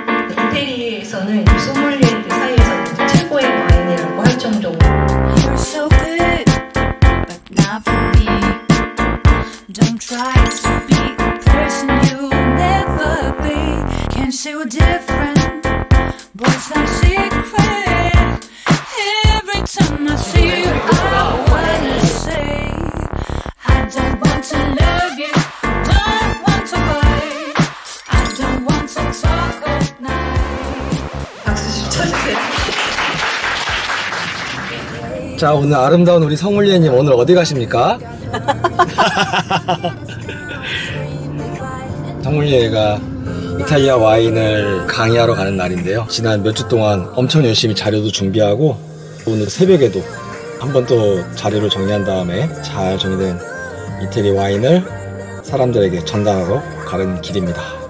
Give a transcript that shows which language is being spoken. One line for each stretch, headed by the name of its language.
Korean: 입장에서는 이 소믈리에들 사이에서 최고의 와인이라고 할 정도로.
English: You're so good, but not for me. Don't try to be a person you'll never be. Can't see what's different. Boys are secret. Every time I see you, I wanna say, I don't want to love you. Don't want to play. I don't want to talk all night.
Korean: 박수 좀 쳐주세요. 자, 오늘 아름다운 우리 성물리에님 오늘 어디 가십니까? 성물리에가 이탈리아 와인을 강의하러 가는 날인데요. 지난 몇 주 동안 엄청 열심히 자료도 준비하고 오늘 새벽에도 한번 또 자료를 정리한 다음에 잘 정리된 이태리 와인을 사람들에게 전달하러 가는 길입니다.